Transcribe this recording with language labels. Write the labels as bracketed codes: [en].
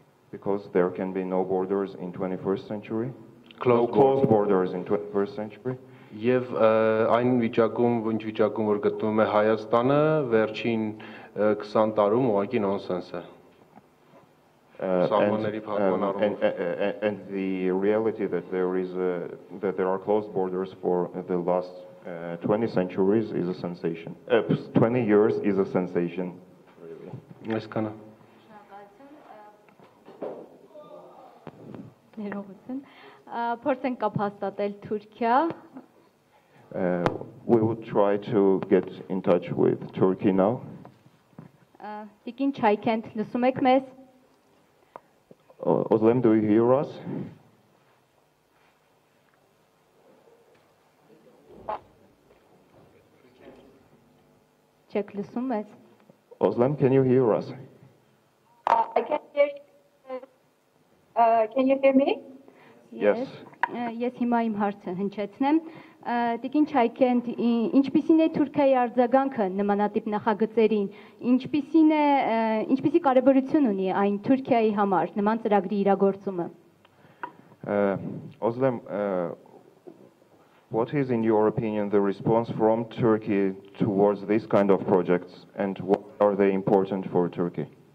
[en] Because there can be no borders in 21st century. Closed borders in 21st century. [hy] Եվ այն վիճակում, ինչ վիճակում որ գտնվում է Հայաստանը վերջին 20 տարում, ուղղակի նոնսենս է։ [en] And the reality that there are closed borders for the last 20 centuries is a sensation. 20 years is a sensation. [hy] Այսքանը։ Ներողություն։ Փորձենք կապ հաստատել Թուրքիա։ [en] We will try to get in touch with Turkey now. [hy] Tikin Chaykent, lusum ek mes? [en] Özlem, do you hear us? [hy] Chek lusum mes? [en] Özlem, can you hear us? I can hear can you hear me? Yes. [hy] Ես հիմա իմ հարցը հնչեցնեմ։ Տիկին Չայքենտ, ինչպիսին է Թուրքիայի արձագանքը նմանատիպ նախագծերին, ինչպիսի կարևորություն ունի այն Թուրքիայի համար նման ծրագրի իրագործումը։ [en] Özlem, what is in your opinion the response from Turkey towards this kind of projects and what are they important for Turkey?